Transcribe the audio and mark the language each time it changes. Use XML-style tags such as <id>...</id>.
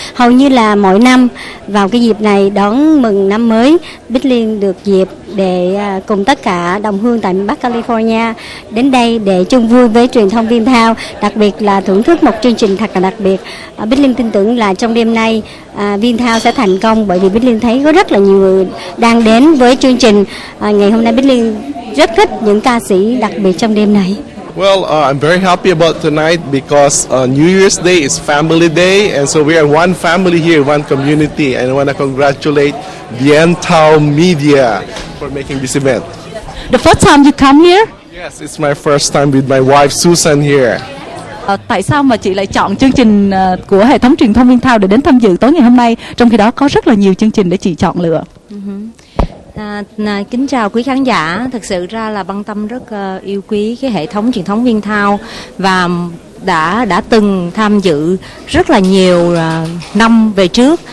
<vi>Hầu như là mỗi năm vào cái dịp này đón mừng năm mới, Bích Liên được dịp để cùng tất cả đồng hương tại miền Bắc California đến đây để chung vui với truyền thông Vinthao, đặc biệt là thưởng thức một chương trình thật là đặc biệt. Bích Liên tin tưởng là trong đêm nay Vinthao sẽ thành công, bởi vì Bích Liên thấy có rất là nhiều người đang đến với chương trình. Ngày hôm nay Bích Liên rất thích những ca sĩ đặc biệt trong đêm này.</vi> <en>Well, I'm very happy about tonight because New Year's Day is Family Day, and so we are one family here, one community, and I want to congratulate Vinthao Media for making this event. The first time you come here? Yes, it's my first time with my wife Susan here.</en> <vi>Tại sao mà chị lại chọn chương trình của hệ thống truyền thông Vinthao để đến tham dự tối ngày hôm nay, trong khi đó có rất là nhiều chương trình để chị chọn lựa? Kính chào quý khán giả. Thực sự ra là Băng Tâm rất yêu quý cái hệ thống truyền thống Vinthao và đã từng tham dự rất là nhiều năm về trước.</vi>